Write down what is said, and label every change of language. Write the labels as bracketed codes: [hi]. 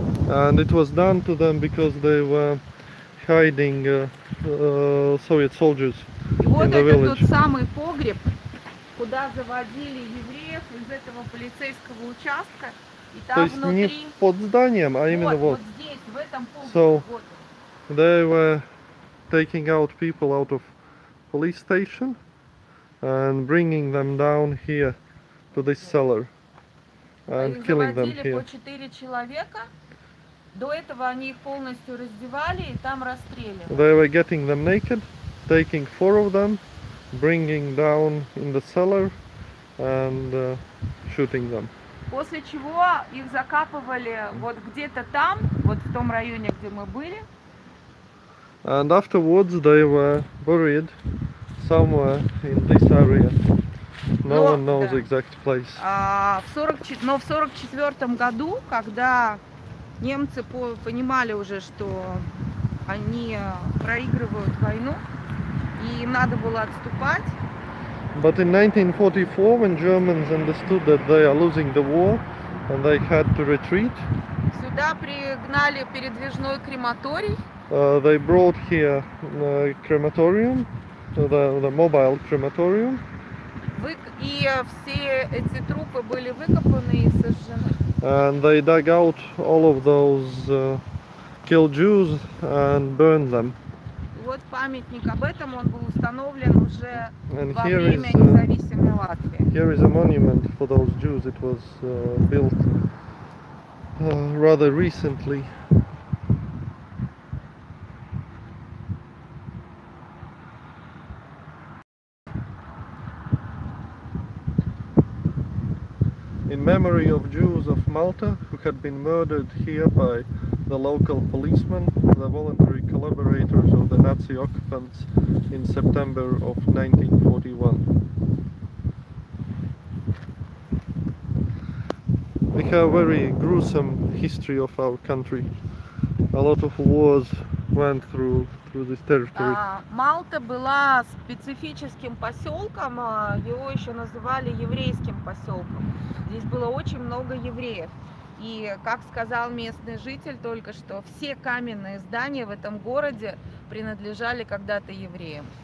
[en] And it was done to them because they were hiding Soviet soldiers [ru] вот [en] in the village. [ru] Вот это тот самый погреб, куда заводили евреев из этого полицейского участка, и там то внутри. Не под зданием, а именно вот. Вот здесь, в этом погребе. [en] So [ru] вот. [en] They were taking out people out of police station and bringing them down here to this cellar and killing them here. [ru] Заводили по 4 человека. До этого они их полностью раздевали и там расстреливали. [en] They were getting them naked, taking four of them, bringing down in the cellar and shooting them. [ru] После чего их закапывали вот где-то там, вот в том районе, где мы были. [en] And afterwards they were buried somewhere in this area. No one knows exact place. [ru] В 44 году, когда немцы понимали уже, что они проигрывают войну, и им надо было отступать. [en] But in 1944, when Germans understood that they are losing the war and they had to retreat, [ru] сюда пригнали передвижной крематорий. [en] They brought here the crematorium, the mobile crematorium. [ru] И все эти трупы были выкопаны и сожжены. [en] And they dug out all of those killed Jews and burned them. [ru] Вот памятник об этом, он был установлен уже во время независимой Латвии. [en] Here is a monument for those Jews. It was built rather recently. In memory of Jews of Malta who had been murdered here by the local policemen, the voluntary collaborators of the Nazi occupants in September of 1941. We have a very gruesome history of our country. A lot of wars went through this territory. [ru] Malta была специфическим поселком, его еще называли еврейским поселком. Здесь было очень много евреев. И, как сказал местный житель только что, все каменные здания в этом городе принадлежали когда-то евреям.